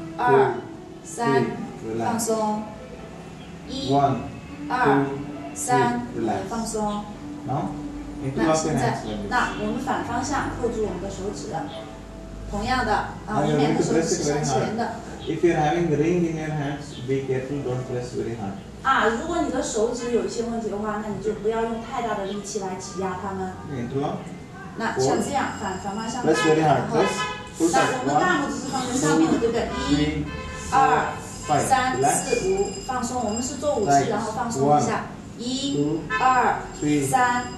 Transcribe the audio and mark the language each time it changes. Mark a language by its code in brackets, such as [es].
[en] One, [zh] 二。 [en] Two, [zh] 三。 [en] Relax. [zh] 放松。一。 [en] One. [zh] 二。 [en] Two, [zh] 三。 [en] Relax. [zh] 放松。 [en] No? [zh] 那现在，那我们反方向扣住我们的手指，同样的啊，我们两个手指是向前的。 [en] If you're having ring in your hands, be careful, don't press very hard. [zh] 啊，如果你的手指有一些问题的话，那你就不要用太大的力气来挤压它们。 [en] Interlock. [zh] 那像这样反方向。 [en] Press very hard. Press. [zh] 那我们大拇指是放在上面的，对不对？一、二、三、四、五，放松。我们是做五级，然后放松一下。一、二、三。